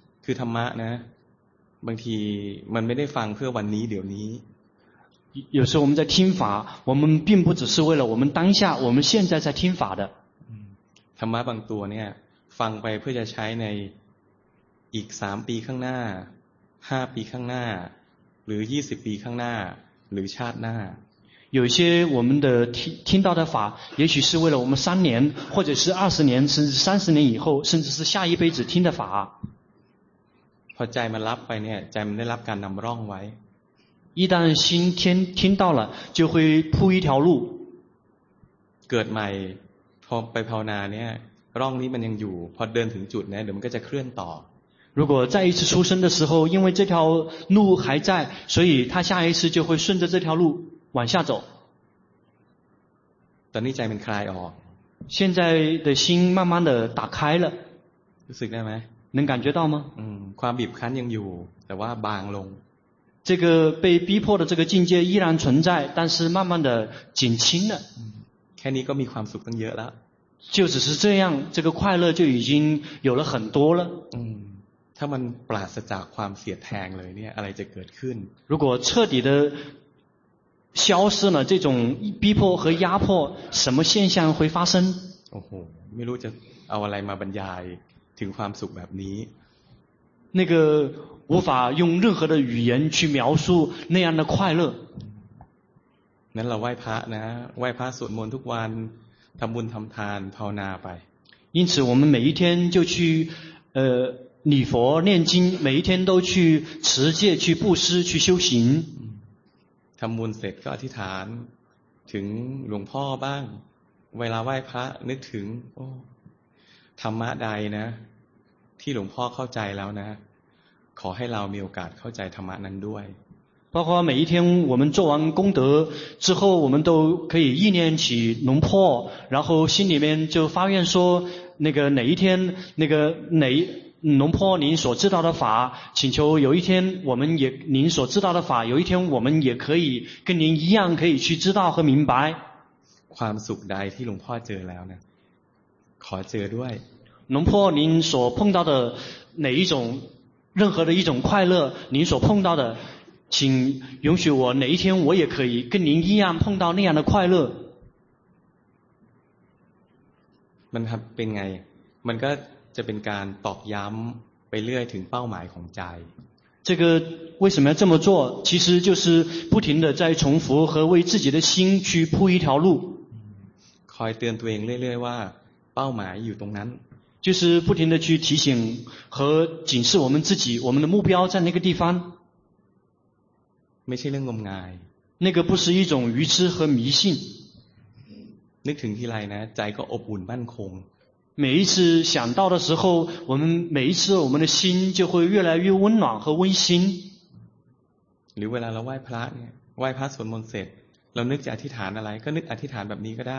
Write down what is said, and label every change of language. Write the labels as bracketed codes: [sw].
[th] คือธรรมะนะบางทีมันไม่ได้ฟังเพื่อวันนี้เดี๋ยวนี้ [zh] 有时候我们在听法我们并不只是为了我们当下我们现在在听法的 [th] ธรรมะบางตัวเนี่ยฟังไปเพื่อจะใช้ในอีก3ปีข้างหน้า5ปีข้างหน้าหรือ20ปีข้างหน้า หรือชาติหน้า [zh] 有些我们的听到的法，也许是为了我们三年，或者是二十年，甚至三十年以后，甚至是下一辈子听的法。 [th] พอใจมันรับไปเนี่ยใจมันได้รับการนำร่องไว้ [zh] 一旦心听到了，就会铺一条路。 [th] เกิดใหม่พอไปภาวนาเนี่ยร่องนี้มันยังอยู่พอเดินถึงจุดเนี่ยเดี๋ยวมันก็จะเคลื่อนต่อ [zh] 如果再一次出生的时候，因为这条路还在，所以他下一次就会顺着这条路往下走。 [th] ตอนนี้ใจมันคลายออก [zh] 现在的心慢慢的打开了。 [th] รู้สึกได้ไหม [zh] 能感觉到吗？ [th] ความบีบคั้นยังอยู่แต่ว่าบางลง [zh] 这个被逼迫的这个境界依然存在，但是慢慢的减轻了。 [th] แค่นี้ก็มีความสุขตั้งเยอะแล้ว [zh] 就只是这样，这个快乐就已经有了很多了。 [th] ถ้ามันปราศจากความเสียแทงเลยเนี่ยอะไรจะเกิดขึ้น [zh] 如果彻底的消失了这种逼迫和压迫什么现象会发生 [th] โอ้โหไม่รู้จะเอาอะไรมาบรรยายถึงความสุขแบบนี้ [zh] 那个无法用任何的语言去描述那样的快乐 [th] นั้นเราไหว้พระนะไหว้พระสวดมนต์ทุกวันทำบุญทำทานภาวนาไป [zh] 因此我们每一天就去礼佛念经每一天都去持戒去布施去修行 [th] ทำบุญเสร็จก็อธิษฐานถึงหลวงพ่อบ้างเวลาไหว้พระนึกถึงโอ้ธรรมะใดนะที่หลวงพ่อเข้าใจแล้วนะขอให้เรามีโอกาสเข้าใจธรรมะนั้นด้วย [zh] 包括每一天我们做完功德之后我们都可以意念起龙破然后心里面就发愿说那个哪一天那个哪龙破您所知道的法请求有一天我们也您所知道的法有一天我们也可以跟您一样可以去知道和明白 [th] ความสุขใดที่หลวงพ่อเจอแล้วนะขอเจอด้วย [zh] 龙破您所碰到的哪一种任何的一种快乐您所碰到的请允许我哪一天我也可以跟您一样碰到那样的快乐 [th] มันเป็นไงมันก็จะเป็นการตอกย้ำไปเรื่อยถึงเป้าหมายของใจ [zh] 这个为什么要这么做其实就是不停的在重复和为自己的心去铺一条路 [th] คอยเตือนตัวเองเรื่อยๆว่าเป้าหมายอยู่ตรงนั้น [zh] 就是不停的去提醒和警示我们自己我们的目标在那个地方 [th] ไม่ใช่เรื่องงมงาย [zh] 那个不是一种愚痴和迷信 [th] นึกถึงทีไรนะใจก็อบอุ่นมั่นคง [zh] 每一次想到的时候我们每一次我们的心就会越来越温暖和温馨 [th] หรือเวลาเราไหว้พระเนี่ยไหว้พระสวดมนต์เสร็จเรานึกจะอธิษฐานอะไรก็นึกอธิษฐานแบบนี้ก็ได